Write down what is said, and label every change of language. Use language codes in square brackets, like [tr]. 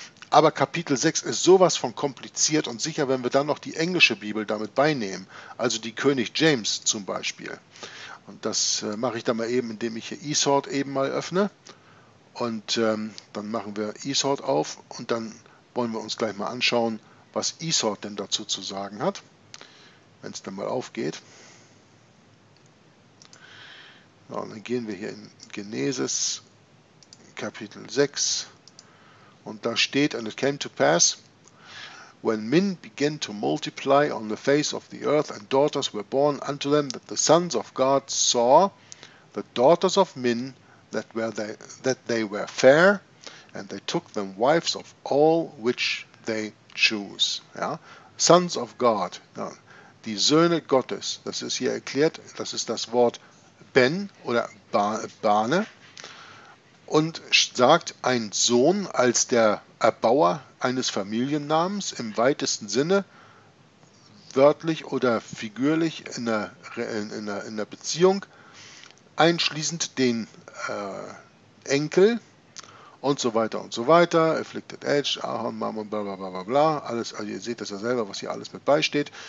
[de] aber Kapitel 6 ist sowas von kompliziert, und sicher, wenn wir dann noch die englische Bibel damit beinehmen, also die König James zum Beispiel, und das mache ich dann mal eben, indem ich hier Esort eben mal öffne, und dann machen wir Esort auf, und dann wollen wir uns gleich mal anschauen, was Esort denn dazu zu sagen hat. Wenn es dann mal aufgeht. So, und dann gehen wir hier in Genesis Kapitel 6. [en] Und da steht, and it came to pass, when men began to multiply on the face of the earth, and daughters were born unto them, that the sons of God saw the daughters of men, that they were fair, and they took them wives of all which they choose. Ja? Sons of God. Ja. [de] Die Söhne Gottes, das ist hier erklärt, das ist das Wort Ben oder Bane, und sagt, ein Sohn als der Erbauer eines Familiennamens im weitesten Sinne, wörtlich oder figürlich in der Beziehung, einschließend den Enkel und so weiter und so weiter, Afflicted Edge, Ahorn, Mammon, bla bla bla bla bla, alles, also ihr seht das ja selber, was hier alles mit beisteht.